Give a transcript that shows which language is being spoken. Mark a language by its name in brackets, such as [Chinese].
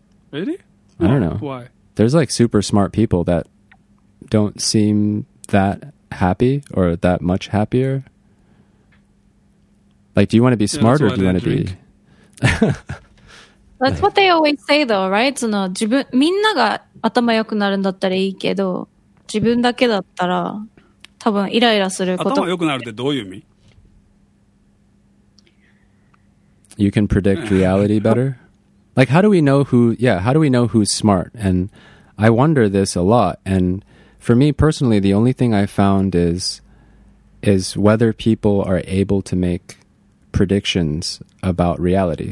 [English] Really? I don't know. Why? There's like super smart people that don't seem that happy or that much happier. Like, do you want to be smart or do you want to be... That's like, what they always say though, right? [Japanese] みんなが 頭良くなるんだったらいいけど 自分だけだったら 多分イライラすること頭良くなるってどういう意味? [English] You can predict reality better. Like, how do we know who, how do we know who's smart? And I wonder this a lot. And for me personally, the only thing I found is whether people are able to make predictions about reality.